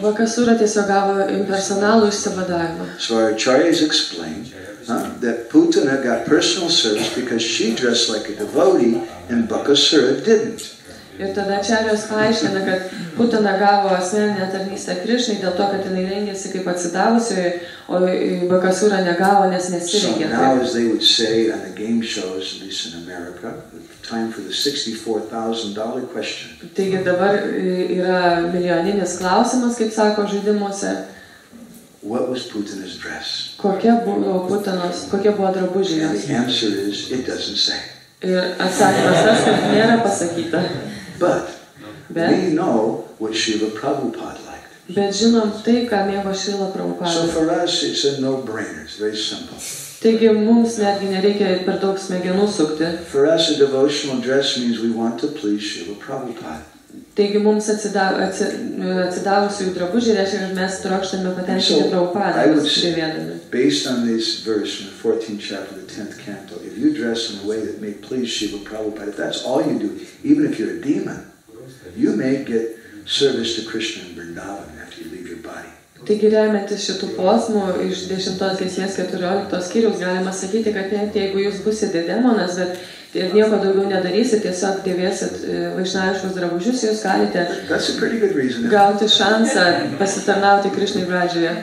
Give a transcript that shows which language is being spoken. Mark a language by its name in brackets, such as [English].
[Lithuanian] O Bakasura tiesiog gavo impersonalų išsivadavimą. [English] So our acharyas explained that Putana got personal service because she dressed like a devotee and Bakasura didn't. [Lithuanian] Ir tada Čarijos paaiškina, kad Putana gavo asmeninę tarnystę Krišnai dėl to, kad jinai rengėsi kaip atsidavusioji, o Bakasura negavo, nes nesirengė. [English] So now, as they would say on the game shows, at least in America, time for the $64,000 question. [Lithuanian] Taigi dabar yra milijoninis klausimas, kaip sako žaidimuose. [English] What was Putana's dress? [Lithuanian] Kokie buvo drabužiai? [English] And the answer is, it doesn't say. [Lithuanian] Ir atsakymas tas, kad nėra pasakyta. [English] But we know what Srila Prabhupada liked. [Lithuanian] Bet žinom tai, ką mėgo Srila Prabhupada. [English] So for us it's a no-brainer, it's very simple. [Lithuanian] Taigi mums netgi nereikia per daug smegenų sukti. [English] For us a devotional dress means we want to please Srila Prabhupada. [Lithuanian] Taigi mums atsidavusiųjų drabužiai reiškia, kad mes trokštame patenkinti Prabhupada. [English] Based on this verse in the 14th chapter of the 10th canto, if you dress in a way that may please Srila Prabhupada, if that's all you do, even if you're a demon, you may get service to Krishna in Vrindavan after you leave your body. [Lithuanian] Taigi remiantis šitų posmų iš 10 giesmės 14 skyriaus, galima sakyti, kad net jeigu jūs būsite demonas, bet ir nieko daugiau nedarysit, tiesiog dėvėsit vaišnaviškus drabužius, jūs galite gauti šansą pasitarnauti Krišnai Vrajoje.